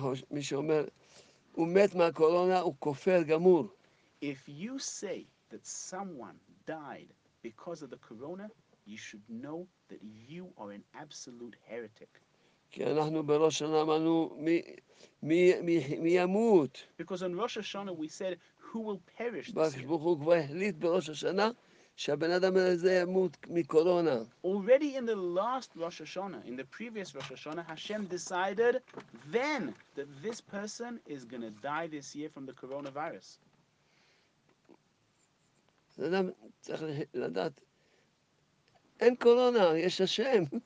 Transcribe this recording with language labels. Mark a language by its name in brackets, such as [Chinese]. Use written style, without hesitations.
[Hebrew] מי שאומר, הוא מת מהקורונה, הוא כופר גמור. [English] If you say that someone died because of the corona, you should know that you are an absolute heretic. [Hebrew] כי אנחנו בראש השנה אמרנו, מי ימות? [English] Because on Rosh Hashanah we said, who will perish? [Hebrew] ברוך הוא כבר החליט בראש השנה. שהבן אדם הזה ימות מקורונה. [English] Already in the last Rosh Hashanah, in the previous Rosh Hashanah, Hashem decided then that this person is going to die this year from the coronavirus. [Hebrew] אדם צריך לדעת, אין קורונה, יש השם.